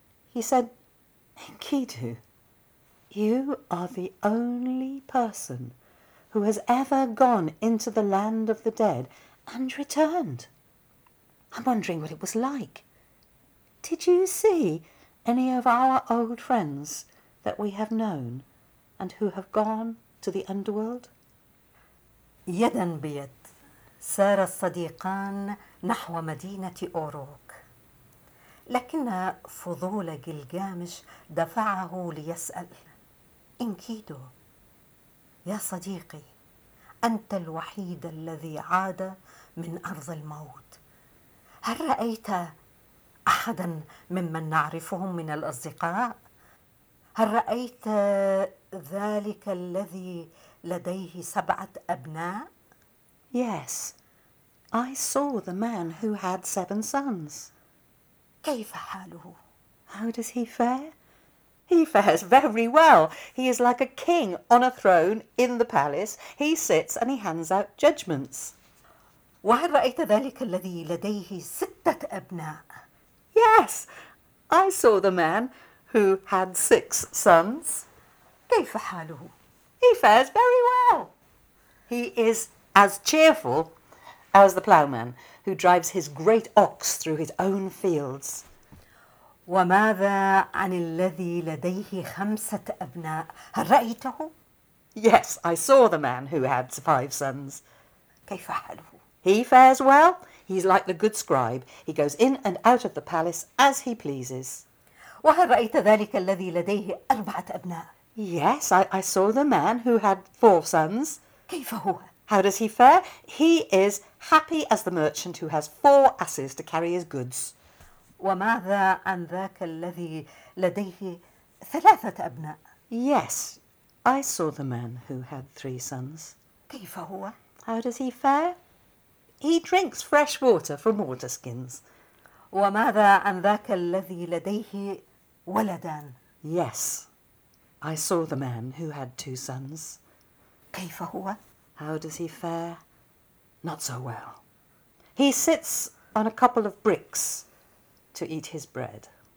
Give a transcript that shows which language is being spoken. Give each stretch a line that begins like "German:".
English: He said, Enkidu, you are the only person who has ever gone into the land of the dead and returned. I'm wondering what it was like. Did you see any of our old friends that we have known and who have gone to the underworld?
Arabic: يدا بيد سار الصديقان نحو مدينة أوروك، لكن فضول جلجامش دفعه ليسأل إنكيدو، يا صديقي أنت الوحيد الذي عاد من أرض الموت، هل رأيت أحدا ممن نعرفهم من الأصدقاء؟ هل رأيت ذلك الذي لديه سبعة أبناء؟
English: Yes, I saw the man who had seven sons.
Arabic: كيف حاله؟
English: How does he fare? He fares very well. He is like a king on a throne in the palace. He sits and he hands out judgments.
Arabic: وهل رأيت ذلك الذي لديه ستة أبناء؟
English: Yes, I saw the man who had six sons.
Arabic: كيف حاله؟
English: He fares very well. He is as cheerful as the ploughman who drives his great ox through his own fields.
Arabic: وماذا عن الذي لديه خمسة أبناء؟ هل رأيته؟
English: Yes, I saw the man who had five sons.
Arabic: كيف حاله؟
English: He fares well. He's like the good scribe. He goes in and out of the palace as he pleases.
Arabic: وهل رأيت ذلك الذي لديه أربعة أبناء؟
English: Yes, I saw the man who had four sons.
Arabic: كيف هو؟
English: How does he fare? He is happy as the merchant who has four asses to carry his goods.
Arabic: وماذا عن ذاك الذي لديه ثلاثة أبناء؟
English: Yes, I saw the man who had three sons.
Arabic: كيف هو؟
English: How does he fare? He drinks fresh water from water skins.
Arabic: وماذا عن ذاك الذي لديه ولدان؟
English: Yes. I saw the man who had two sons.
Arabic: كيف هو؟
English: How does he fare? Not so well. He sits on a couple of bricks to eat his bread.